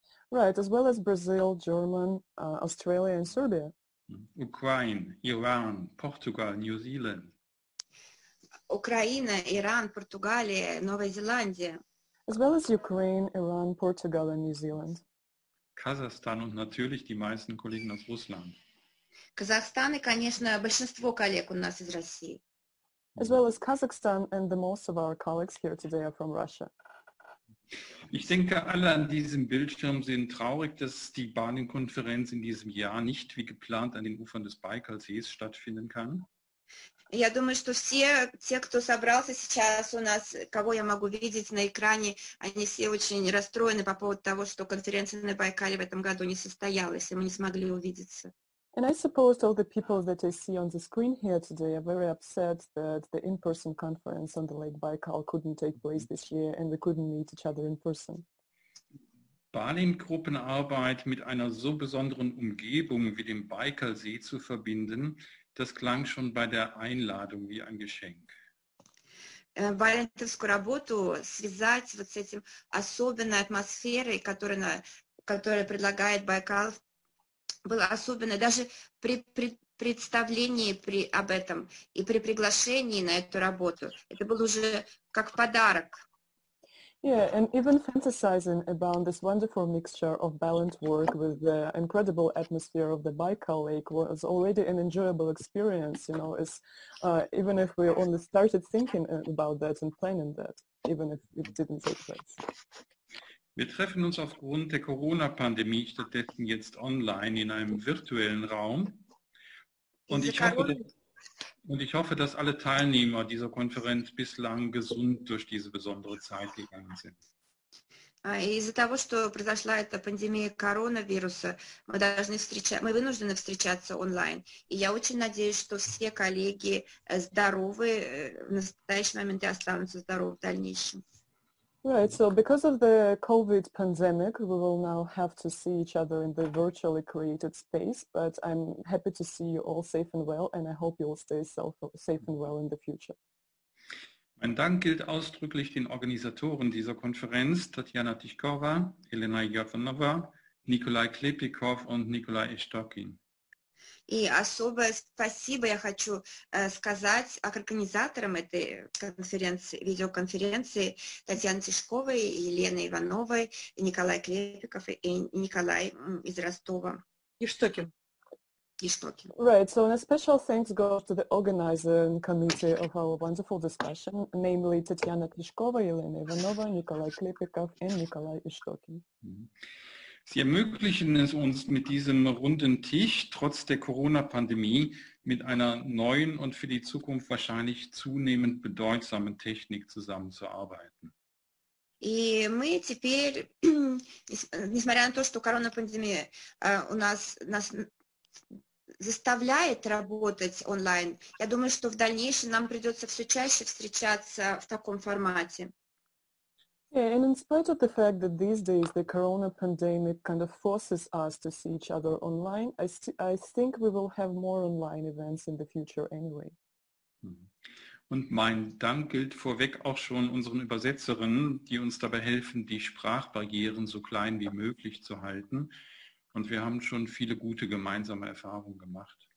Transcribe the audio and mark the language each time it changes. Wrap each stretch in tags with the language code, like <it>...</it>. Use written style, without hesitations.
<en>Right, as well as Brazil, German, Australia and Serbia. Ukraine, Iran, Portugal, New Zealand.</en> <ru>Украина, Иран, Португалия, Новая Зеландия.</ru> <en>As well as Ukraine, Iran, Portugal and New Zealand.</en> <de>Kasachstan und natürlich die meisten Kollegen aus Russland.</de> <ru>Kasachstan и, конечно, большинство коллег у нас из России.</ru> <en>As well as Kazakhstan and the most of our colleagues here today are from Russia.</en> <de>Ich denke, alle an diesem Bildschirm sind traurig, dass die Baninkonferenz in diesem Jahr nicht wie geplant an den Ufern des Baikalsees stattfinden kann.</de> <ru>Я думаю, что все те, кто собрался сейчас у нас, кого я могу видеть на экране, они все очень расстроены по поводу того, что конференция на Байкале в этом году не состоялась, и мы не смогли увидеться.</ru> <en>And I suppose all the people that I see on the screen here today are very upset that the in-person conference on the Lake Baikal couldn't take place this year and we couldn't meet each other in person.</en> <de>Balin-Gruppenarbeit mit einer so besonderen Umgebung wie dem Baikalsee zu verbinden, das klang schon bei der Einladung wie ein Geschenk.</de> <ru>валентовскую работу связать вот с этим особенной атмосферой, которая предлагает Байкал, было особенно даже при представлении об этом и при приглашении на эту работу. Это был уже как подарок.</ru> <en>Yeah, and even fantasizing about this wonderful mixture of balanced work with the incredible atmosphere of the Baikal Lake was already an enjoyable experience, you know, even if we only started thinking about that and planning that, even if it didn't take place.</en> <de>Wir treffen uns aufgrund der Corona-Pandemie stattdessen jetzt online in einem virtuellen Raum. Und ich hoffe, dass alle Teilnehmer dieser Konferenz bislang gesund durch diese besondere Zeit gegangen sind.</de> <ru>Из-за того, что произошла эта пандемия коронавируса, мы вынуждены встречаться онлайн. И я очень надеюсь, что все коллеги здоровы в настоящий момент и останутся здоровы в дальнейшем.</ru> <en>Right, so because of the COVID pandemic, we will now have to see each other in the virtually created space, but I'm happy to see you all safe and well, and I hope you'll stay safe and well in the future.</en> <de>Mein Dank gilt ausdrücklich den Organisatoren dieser Konferenz, Tatjana Tichkova, Elena Jovanova, Nikolai Klepikov und Nikolai Estokin.</de> <ru>И особое спасибо я хочу сказать организаторам этой конференции, видеоконференции, Татьяне Тишковой, Елене Ивановой, Николай Клепиков и Николай из Ростова. Иштокин.</ru> <en>Right, so a special thanks goes to the organizing committee of our wonderful discussion, namely Татьяна Тишкова, Елена Иванова, Николай Клепиков и Николай Иштокин.</en> <de>Sie ermöglichen es uns, mit diesem runden Tisch trotz der Corona-Pandemie mit einer neuen und für die Zukunft wahrscheinlich zunehmend bedeutsamen Technik zusammenzuarbeiten.</de> <ru>И мы теперь, несмотря на то, что Corona-Pandemie нас заставляет работать онлайн, я думаю, что в дальнейшем нам придется все чаще встречаться в таком формате.</ru> <en>Yeah, and in spite of the fact that these days the corona pandemic kind of forces us to see each other online, I think we will have more online events in the future anyway.</en> <de>Und mein Dank gilt vorweg auch schon unseren Übersetzerinnen, die uns dabei helfen, die Sprachbarrieren so klein wie möglich zu halten. Und wir haben schon viele gute gemeinsame Erfahrungen gemacht.</de>